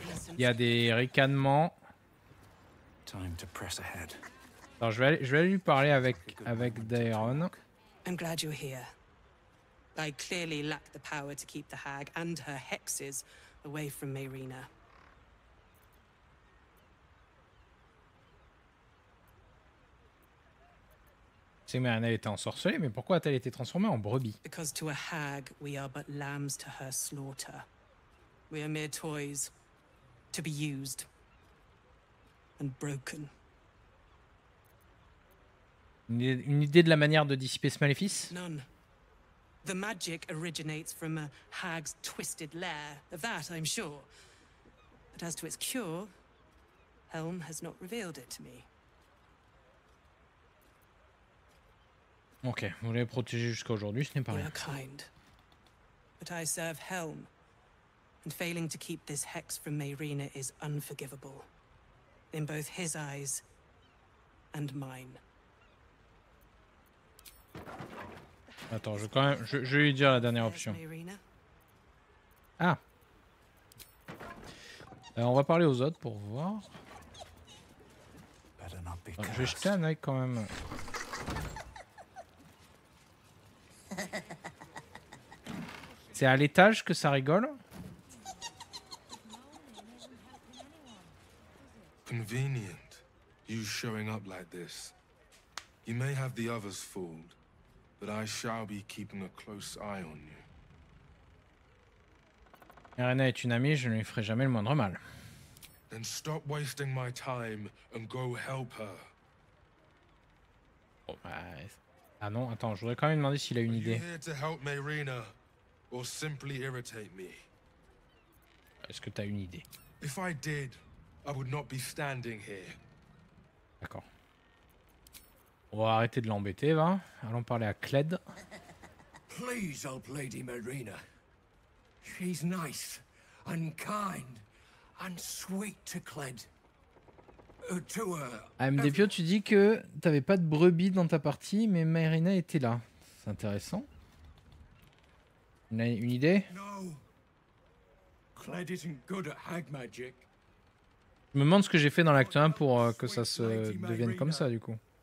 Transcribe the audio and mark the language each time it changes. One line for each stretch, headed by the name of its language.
French: Il y a des ricanements. Alors, je vais lui parler avec Dairon.
English: I'm glad you're here. I clearly lack the power to keep the hag and her hexes away from Mayrina.
French: Si Mayrina était ensorcelée, mais pourquoi a-t-elle été transformée en brebis?
English: Because to a hag, we are but lambs to her slaughter. We are mere toys to be used and broken.
French: Une idée de la manière de dissiper ce maléfice?
English: None. The magic originates from a hag's twisted lair. Of that, I'm sure. But as to its cure, Helm has not revealed it to me.
French: Ok, vous l'avez protégé jusqu'à aujourd'hui, ce n'est pas rien.
English: You are kind. But I serve Helm. And failing to keep this hex from Mayrina is unforgivable. In both his eyes and mine.
French: Attends, je vais lui dire la dernière option. Ah. On va parler aux autres pour voir. Alors, je vais jeter un œil quand même. C'est à l'étage que ça rigole.
English: Convenient, you showing up like this. You may have the others fooled. But I shall be keeping a close eye on you.
French: Mayrina est une amie, je ne lui ferai jamais le moindre mal.
English: Then stop wasting my time and go help her.
French: Oh, bah... Ah non, attends, je voudrais quand même demander s'il a une idée.
English: Are you here to help Mayrina or simply irritate me?
French: Est-ce que t'as une idée?
English: If I did, I would not be standing here.
French: D'accord. On va arrêter de l'embêter, va. Allons parler à Cled.
English: Please help Lady Mayrina. She's nice and kind and sweet to Cled.
French: MDPO, tu dis que t'avais pas de brebis dans ta partie, mais Myrina était là. C'est intéressant. Une idée?
English: Cled isn't good at hag magic.
French: Je me demande ce que j'ai fait dans l'acte 1 pour que ça se devienne comme ça, du coup.